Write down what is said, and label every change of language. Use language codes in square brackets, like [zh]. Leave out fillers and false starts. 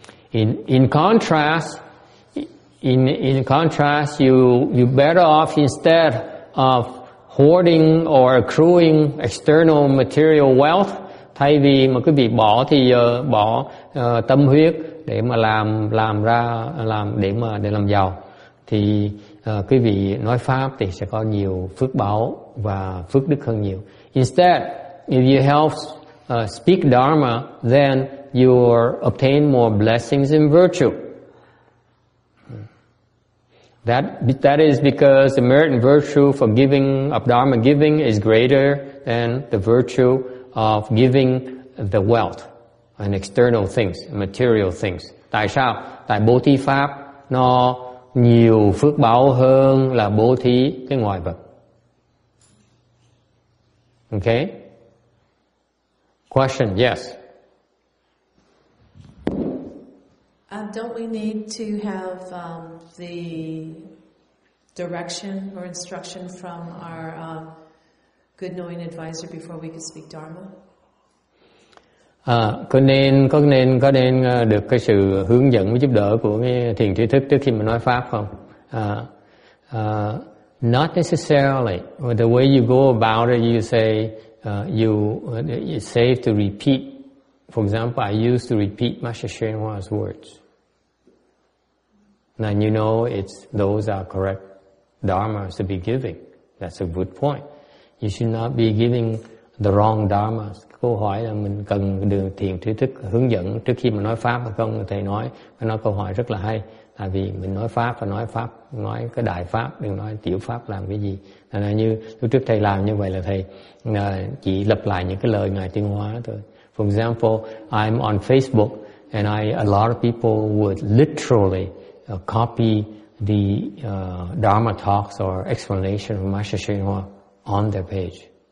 [en] In contrast, you better off instead of hoarding or accruing external material wealth, [vi] thay vì mà quý vị bỏ thì bỏ tâm huyết để mà làm giàu, thì quý vị nói pháp thì sẽ có nhiều phước báo và phước đức hơn nhiều. [en] Instead, if you help speak Dharma, then you obtain more blessings in virtue. That is because the merit and virtue for giving of Dharma giving is greater than the virtue of giving the wealth and external things, material things. [vi] Tại sao? Tại bố thí pháp nó nhiều phước báo hơn là bố thí cái ngoại vật. [en] Okay? Question, yes. Don't we need to have the direction or instruction from our good knowing advisor before we can speak Dharma? [vi] có nên được cái sự hướng dẫn và giúp đỡ của cái thiền trí thức trước khi mà nói pháp không? [en] Not necessarily. The way you go about it, you say it's safe to repeat. For example, I used to repeat Master Shenhua's words. Now you know those are correct dharmas to be giving. That's a good point. You should not be giving the wrong dharmas. [vi] Câu hỏi là mình cần đường thiền trí thức hướng dẫn trước khi mình nói pháp hay không? Thầy nói câu hỏi rất là hay. Tại vì mình nói pháp và nói pháp, nói cái đại pháp, đừng nói tiểu pháp làm cái gì. Nên là như lúc trước thầy làm như vậy là thầy chỉ lặp lại những cái lời Ngài Tuyên Hóa thôi. [en] For example, I'm on Facebook and a lot of people would literally copy the Dharma talks or explanation of Master Shenhua on their page.